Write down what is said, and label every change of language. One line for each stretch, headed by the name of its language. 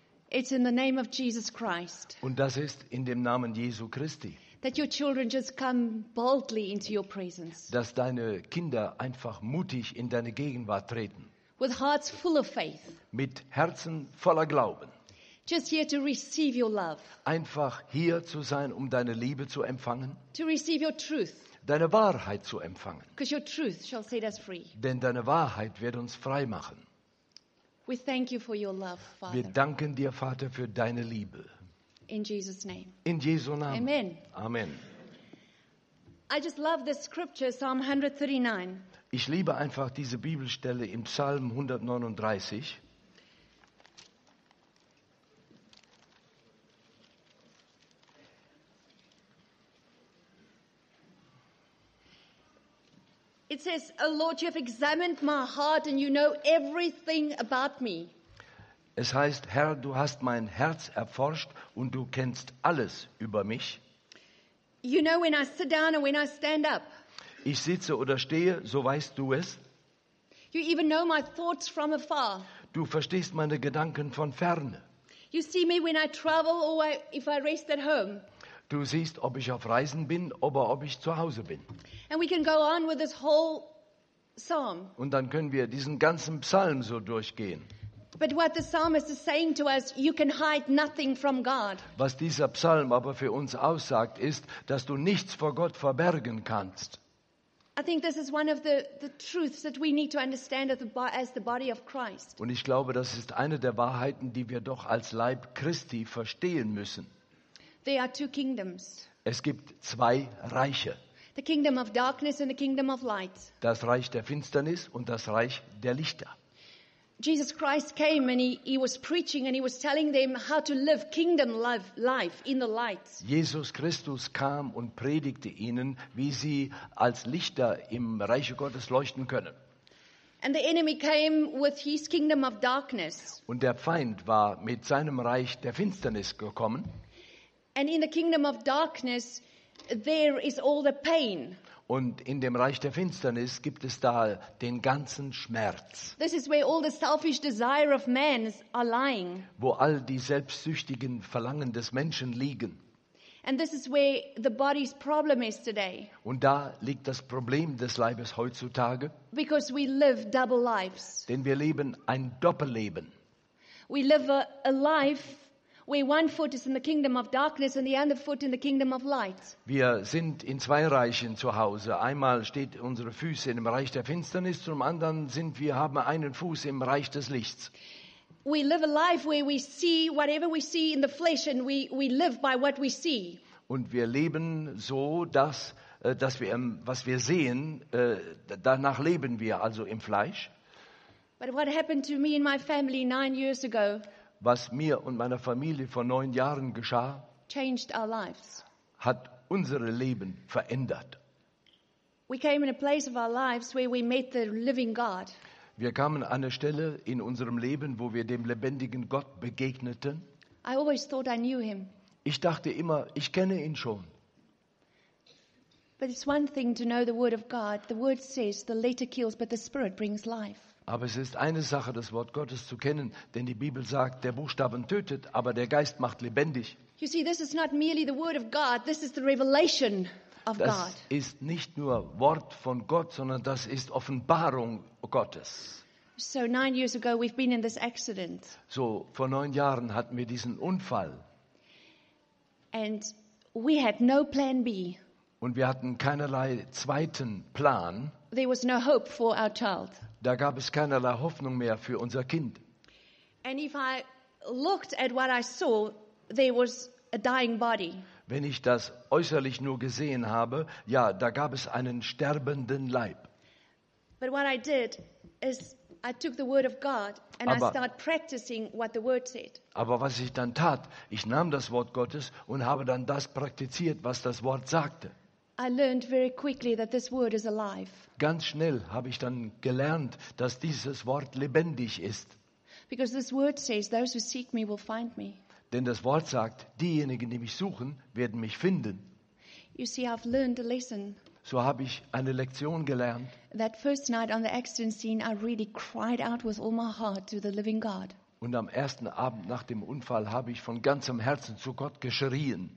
English: It's in the name of Jesus Christ.
German: Und das ist in dem Namen Jesu Christi.
English: That your children just come boldly into your presence.
German: Dass deine Kinder einfach mutig in deine Gegenwart treten.
English: With hearts full of faith.
German: Mit Herzen voller Glauben.
English: Just here to receive your love.
German: Einfach hier zu sein, um deine Liebe zu empfangen.
English: To receive your truth.
German: Deine Wahrheit zu empfangen.
English: Because your truth shall set us free.
German: Denn deine Wahrheit wird uns frei machen.
English: We thank you for your love, Father.
German: Wir danken dir, Vater, für deine Liebe.
English: In Jesus' name.
German: In Jesu Namen.
English: Amen.
German: Amen.
English: I just love this scripture, Psalm 139.
German: Ich liebe einfach diese Bibelstelle im Psalm 139.
English: It says, O Lord, you have examined my heart and you know everything about me.
German: Es heißt, Herr, du hast mein Herz erforscht und du kennst alles über mich.
English: You know when I sit down and when I stand up.
German: Ich sitze oder stehe, so weißt du es.
English: You even know my thoughts from afar.
German: Du verstehst meine Gedanken von ferne.
English: You see me when I travel or if I rest at home.
German: Du siehst, ob ich auf Reisen bin oder ob ich zu Hause bin.
English: And we can go on with this whole psalm.
German: Und dann können wir diesen ganzen Psalm so durchgehen.
English: But what the psalmist is saying to us, you can hide nothing from God.
German: Was dieser Psalm aber für uns aussagt, ist, dass du nichts vor Gott verbergen kannst.
English: I think this is one of the truths that we need to understand as the body of Christ.
German: Und ich glaube, das ist eine der Wahrheiten, die wir doch als Leib Christi verstehen müssen.
English: There are two kingdoms.
German: Es gibt zwei Reiche.
English: The kingdom of darkness and the kingdom of light.
German: Das Reich der Finsternis und das Reich der Lichter.
English: Jesus Christ came and he was preaching and he was telling them how to live kingdom life in the light.
German: Jesus Christus kam und predigte ihnen, wie sie als Lichter im Reich Gottes leuchten können.
English: And the enemy came with his kingdom of darkness.
German: Und der Feind war mit seinem Reich der Finsternis gekommen.
English: And in the kingdom of darkness there is all the pain.
German: Und in dem Reich der Finsternis gibt es da den ganzen Schmerz.
English: This is where all the selfish desire of man are lying.
German: Wo all die selbstsüchtigen Verlangen des Menschen liegen.
English: And this is where the body's problem is today.
German: Und da liegt das Problem des Leibes heutzutage.
English: Because we live double lives.
German: Denn wir leben ein Doppelleben.
English: We live a life where one foot is in the kingdom of darkness and the other foot in the kingdom of light.
German: Wir sind in zwei Reichen zu Hause. Einmal steht unsere Füße im Reich der Finsternis, zum anderen haben wir einen Fuß im Reich des Lichts.
English: We live a life where we see whatever we see in the flesh and we live by what we see.
German: Und wir leben so, dass wir was wir sehen, danach leben wir, also im Fleisch.
English: But what happened to me and my family 9 years ago?
German: Was mir und meiner Familie vor 9 Jahren geschah,
English: changed our lives.
German: Hat unsere Leben verändert.
English: We came in a place of our lives where we met the living God.
German: Wir kamen an eine Stelle in unserem Leben, wo wir dem lebendigen Gott begegneten.
English: I always thought I knew him.
German: Ich dachte immer, ich kenne ihn schon.
English: But it's one thing to know the word of God. The word says the letter kills, but the spirit brings life.
German: Aber es ist eine Sache, das Wort Gottes zu kennen, denn die Bibel sagt, der Buchstaben tötet, aber der Geist macht lebendig.
English: You see, this is not merely the word of God, this is the revelation of God.
German: Das ist nicht nur Wort von Gott, sondern das ist Offenbarung Gottes.
English: So 9 years ago we've been in this accident.
German: So vor 9 Jahren hatten wir diesen Unfall.
English: And we had no plan B.
German: Und wir hatten keinerlei zweiten Plan.
English: There was no hope for our child.
German: Da gab es keinerlei Hoffnung mehr für unser Kind.
English: And if I looked at what I saw, there was a dying body.
German: Wenn ich das äußerlich nur gesehen habe, ja, da gab es einen sterbenden Leib.
English: But what I did is I took the word of God and I started practicing what the word said.
German: Aber was ich dann tat, ich nahm das Wort Gottes und habe dann das praktiziert, was das Wort sagte.
English: I learned very quickly that this word is alive.
German: Ganz schnell habe ich dann gelernt, dass dieses Wort lebendig ist.
English: Because this word says, those who seek me will find me.
German: Denn das Wort sagt, diejenigen, die mich suchen, werden mich finden.
English: You see, I've learned a lesson.
German: So habe ich eine Lektion gelernt.
English: That first night on the accident scene, I really cried out with all my heart to the living God.
German: Und am ersten Abend nach dem Unfall habe ich von ganzem Herzen zu Gott geschrien.